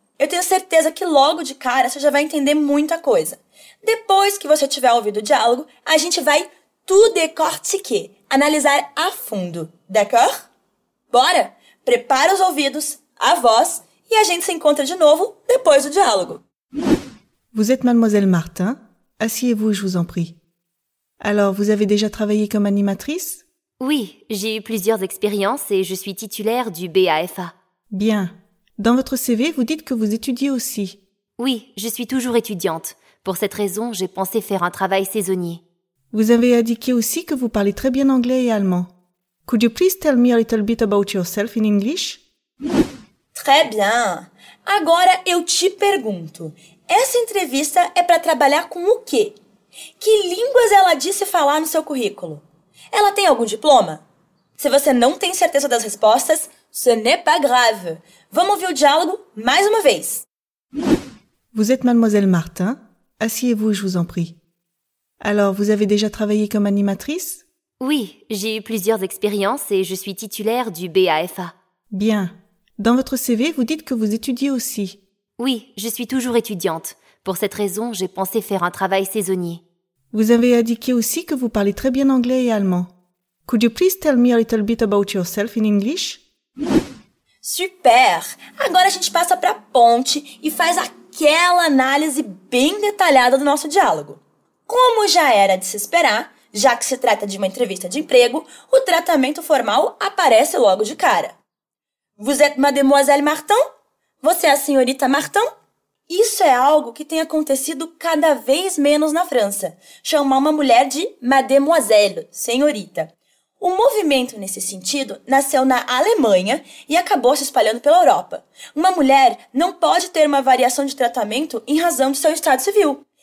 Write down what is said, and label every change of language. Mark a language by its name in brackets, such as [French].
[Portuguese] Eu tenho certeza que logo de cara você já vai entender muita coisa. Depois que você tiver ouvido o diálogo, a gente vai [French] tout décortiquer, [Portuguese] analisar a fundo. [French] D'accord? [Portuguese] Bora! Prepara os ouvidos, a voz, e a gente se encontra de novo depois do diálogo. [French] Vous êtes Mademoiselle Martin. Asseyez-vous, je vous en prie. Alors, vous avez déjà travaillé comme animatrice? Oui, j'ai eu plusieurs expériences et je suis titulaire du BAFA. Bien. Dans votre CV, vous dites que vous étudiez aussi. Oui, je suis toujours étudiante. Pour cette raison, j'ai pensé faire un travail saisonnier. Vous avez indiqué aussi que vous parlez très bien anglais et allemand. [English] Could you please tell me a little bit about yourself in English? [French] Très bien. [Portuguese] Agora eu te pergunto, essa entrevista é para trabalhar com o quê? Que línguas ela disse falar no seu currículo? Ela tem algum diploma? Se você não tem certeza das respostas, [French] ce n'est pas grave. [Portuguese] Vamos ouvir o diálogo mais uma vez. [French] Vous êtes Mademoiselle Martin. Asseyez-vous, je vous en prie. Alors, vous avez déjà travaillé comme animatrice? Oui, j'ai eu plusieurs expériences et je suis titulaire du BAFA. Bien. Dans votre CV, vous dites que vous étudiez aussi. Oui, je suis toujours étudiante. Pour cette raison, j'ai pensé faire un travail saisonnier. Vous avez indiqué aussi que vous parlez très bien anglais et allemand. [English] Could you please tell me a little bit about yourself in English? [French] Super! [Portuguese] Agora a gente passa para a ponte e faz aquela análise bem detalhada do nosso diálogo. Como já era de se esperar, já que se trata de uma entrevista de emprego, o tratamento formal aparece logo de cara. [French] Vous êtes Mademoiselle Martin? [Portuguese] Você é a senhorita Martin? Isso é algo que tem acontecido cada vez menos na França, chamar uma mulher de mademoiselle, senhorita. O movimento nesse sentido nasceu na Alemanha e acabou se espalhando pela Europa. Uma mulher não pode ter uma variação de tratamento em razão do seu estado civil.